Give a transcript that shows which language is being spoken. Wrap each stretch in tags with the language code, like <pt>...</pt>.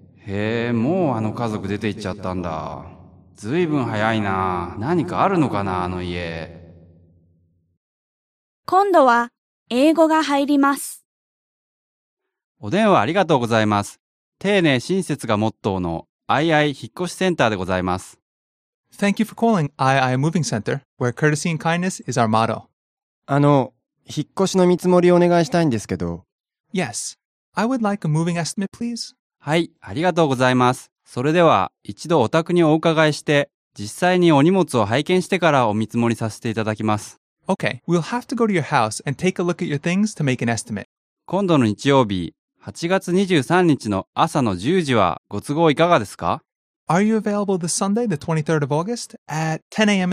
<ja>へえ、もうあの家族出て行っちゃったんだ。ずいぶん早いな。何かあるのかな、あの家。今度は英語が入ります。お電話ありがとうございます。丁寧親切がモットーのアイアイ引っ越しセンターでございます。</ja> <en>Thank you for calling I I Moving Center, where courtesy and kindness is our motto.</en> <ja>あの、引っ越しの見積もりをお願いしたいんですけど。</ja> <en>Yes, I would like a moving estimate, please.</en> <ja>はい、ありがとうございます。それでは一度お宅にお伺いして実際にお荷物を拝見してからお見積もりさせていただきます。</ja> <en>Okay, we'll have to go to your house and take a look at your things to make an estimate.</en> <ja>今度の日曜日、8月23日の朝の10時はご都合いかがですか？</ja> <en>Are you available this Sunday, the 23rd of August at 10 a.m.</en>